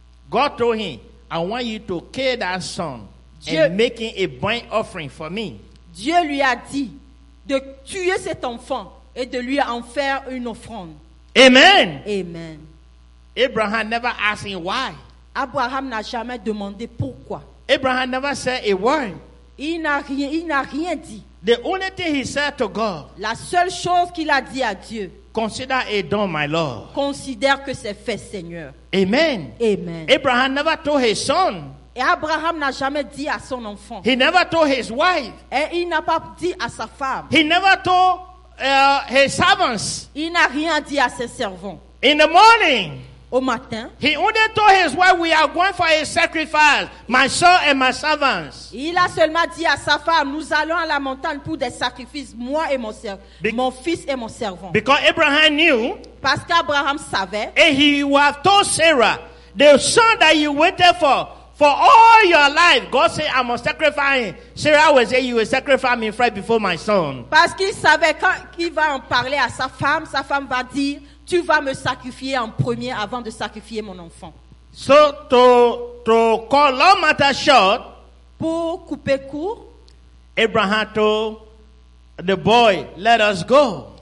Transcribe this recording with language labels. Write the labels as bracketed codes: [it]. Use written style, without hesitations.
[en] God told him, I want you to kill that son Dieu, and make him a burnt offering for me. [fr] Dieu lui a dit de tuer cet enfant et de lui en faire une offrande. [en] Amen. [fr] Amen. [en] Abraham never asked him why. [fr] Abraham n'a jamais demandé pourquoi. [en] Abraham never said a word. [fr] Il n'a rien dit. [en] The only thing he said to God. [fr] La seule chose qu'il a dit à Dieu. [en] Consider it done, my Lord. [fr] Considère que c'est fait, Seigneur. [en] Amen. [fr] Amen. [en] Abraham never told his son. [fr] Et Abraham n'a jamais dit à son enfant. [en] He never told his wife. [fr] Et il n'a pas dit à sa femme. [en] He never told his servants. [fr] Il n'a rien dit à ses servants. [en] In the morning. [fr] Au matin, [en] he only told his wife, we are going for a sacrifice, my son and my servants. [fr] Il a seulement dit à sa femme, nous allons à la montagne pour des sacrifices, moi et mon fils et mon servant. [en] Because Abraham knew, [fr] parce qu'Abraham savait, [en] and he have told Sarah, the son that you waited for all your life, God said, I must sacrifice him. Sarah will say, you will sacrifice me right before my son. [fr] Parce qu'il savait, quand il va en parler à sa femme va dire, tu vas me sacrifier en premier avant de sacrifier mon enfant. [en] So to call long matter short, [fr] pour couper court, [en] Abraham told the boy, let us go.